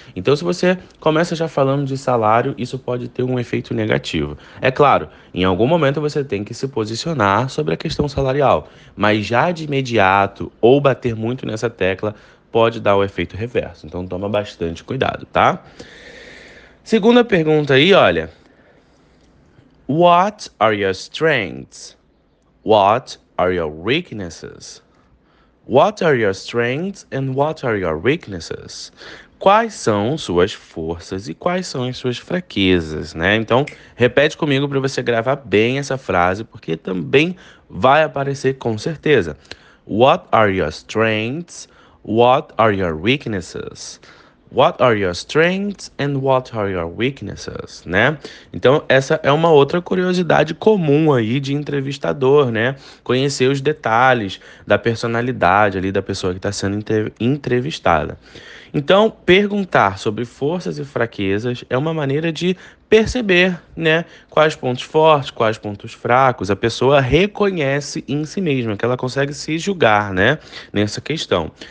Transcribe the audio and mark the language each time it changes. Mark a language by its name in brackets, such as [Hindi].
[Portuguese] Então se você começa já falando de salário, isso pode ter um efeito negativo. É claro, em algum momento você tem que se posicionar sobre a questão salarial, mas já de imediato ou bater muito nessa tecla pode dar o efeito reverso. Então toma bastante cuidado, tá? Segunda pergunta aí, olha. [English] What are your strengths? What are your weaknesses? What are your strengths and what are your weaknesses? [Portuguese] Quais são suas forças e quais são as suas fraquezas, né? Então, repete comigo para você gravar bem essa frase, porque também vai aparecer com certeza. [English] What are your strengths? What are your weaknesses? What are your strengths and what are your weaknesses, né? [Portuguese] Então, essa é uma outra curiosidade comum aí de entrevistador, né? Conhecer os detalhes da personalidade ali da pessoa que está sendo entrevistada. Então, perguntar sobre forças e fraquezas é uma maneira de perceber, né, quais pontos fortes, quais pontos fracos a pessoa reconhece em si mesma, que ela consegue se julgar, né, nessa questão.